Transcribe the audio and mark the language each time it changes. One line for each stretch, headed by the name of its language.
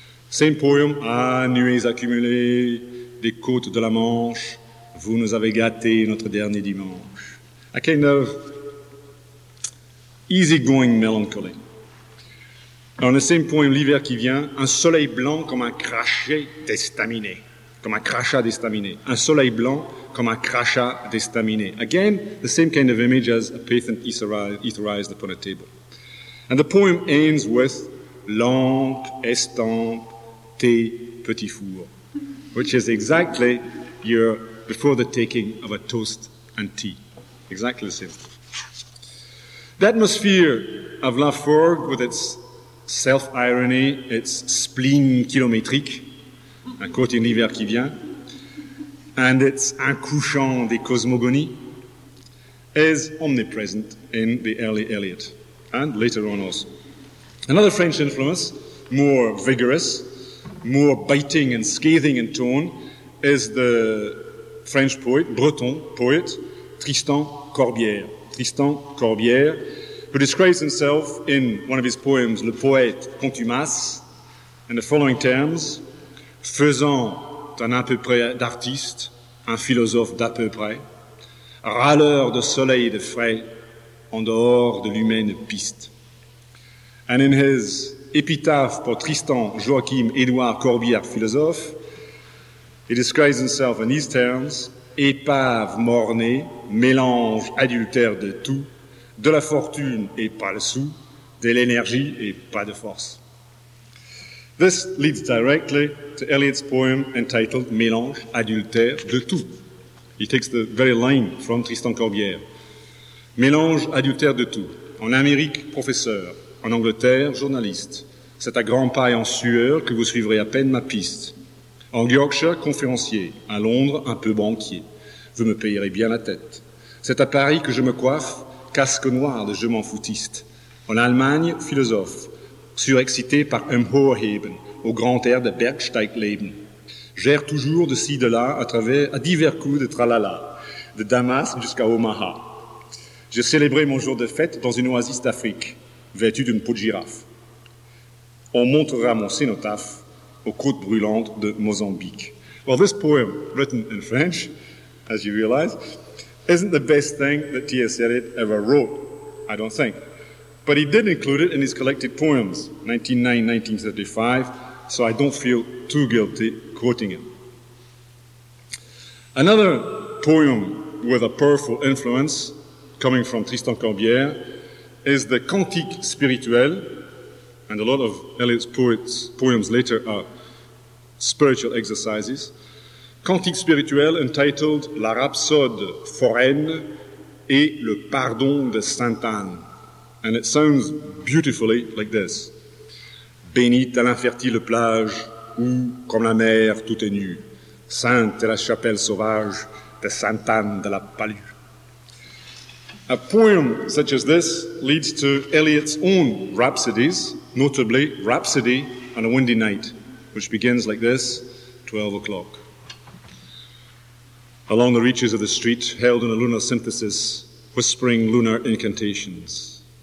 English: Same poem,
French: Ah, nuées accumulées, des côtes de la Manche, vous nous avez gâté notre dernier dimanche.
English: A kind of easy-going melancholy. On the same poem,
French: L'hiver qui vient, un soleil blanc comme un crachat d'estaminé. Comme un crachat d'estaminé. Un soleil blanc comme un crachat d'estaminé.
English: Again, the same kind of image as a patient etherized upon a table. And the poem ends with
French: lampe, estampe, thé, petit four,
English: which is exactly your before the taking of a toast and tea. Exactly the same. The atmosphere of Laforgue, with its self-irony, its
French: spleen kilométrique,
English: I'm quoting L'hiver qui vient, and its
French: un couchant des cosmogonies,
English: is omnipresent in the early Eliot, and later on also. Another French influence, more vigorous, more biting and scathing in tone, is the French poet, Breton poet, Tristan Corbière. Tristan Corbière, who describes himself in one of his poems, Le Poète Contumace, in the following terms,
French: faisant un à peu près d'artiste, un philosophe d'à peu près, râleur de soleil de frais, en dehors de l'humaine piste.
English: And in his
French: epitaphe pour Tristan Joachim Édouard Corbière, philosophe,
English: he describes himself in these terms,
French: épave mornée, mélange adultère de tout, de la fortune et pas le sou, de l'énergie et pas de force.
English: This leads directly to Eliot's poem entitled Mélange adultère de tout. He takes the very line from Tristan Corbière.
French: Mélange adultère de tout. En Amérique, professeur. En Angleterre, journaliste. C'est à grands pas et en sueur que vous suivrez à peine ma piste. En Yorkshire, conférencier. À Londres, un peu banquier. Vous me payerez bien la tête. C'est à Paris que je me coiffe, casque noir de je m'en foutiste. En Allemagne, philosophe, surexcité par Hohenheben, au grand air de Bergsteigleben. J'erre toujours de ci, de là, à travers à divers coups de tralala, de Damas jusqu'à Omaha. J'ai célébré mon jour de fête dans une oasis d'Afrique, vêtue d'une peau de girafe. On montrera mon cénotaphe aux côtes brûlantes de Mozambique.
English: Well, this poem, written in French, as you realize, isn't the best thing that T.S. Eliot ever wrote, I don't think. But he did include it in his collected poems, 1909, 1935, so I don't feel too guilty quoting it. Another poem with a powerful influence coming from Tristan Corbière is the Cantique Spirituel, and a lot of Eliot's poems later are spiritual exercises. Cantique Spirituel, entitled La Rhapsode Foraine et le Pardon de Sainte-Anne. And it sounds beautifully like this.
French: Bénite à l'infertile plage où, comme la mer, tout est nu. Sainte est la chapelle sauvage de Sainte-Anne de la Palue.
English: A poem such as this leads to Eliot's own rhapsodies, notably Rhapsody on a Windy Night, which begins like this, 12 o'clock. Along the reaches of the street, held in a lunar synthesis, whispering lunar incantations.